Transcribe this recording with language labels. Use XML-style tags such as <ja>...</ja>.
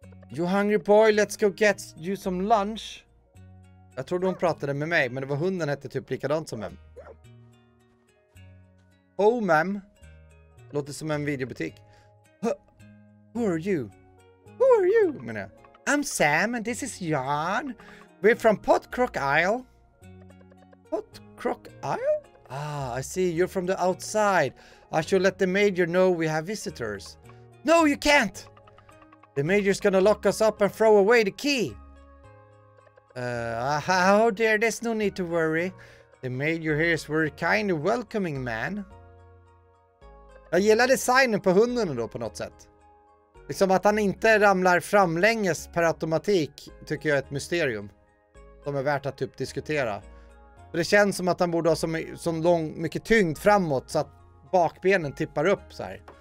<en>You hungry boy, let's go get you some lunch.</en> <sv>Jag trodde hon pratade med mig men det var hunden hette typ likadant som hem.</sv> <en>Oh, ma'am.</en> <sv>Låter som en videobutik.</sv> <en>Who are you? Who are you?</en> <sv>Menar jag.</sv> <en>I'm Sam and this is John. We're from Potcrock Isle. Potcrock Isle? Ah, I see. You're from the outside. I should let the major know we have visitors. No, you can't. The major's gonna lock us up and throw away the key. Oh dear, there's no need to worry. The major here is very kind and welcoming, man.</en> <sv>Jag gillar designen på hunden då på något sätt. Liksom att han inte ramlar framlänges per automatik tycker jag är ett mysterium. Som är värt att typ diskutera. För det känns som att han borde ha så lång, mycket tyngd framåt så att bakbenen tippar upp så här.</sv>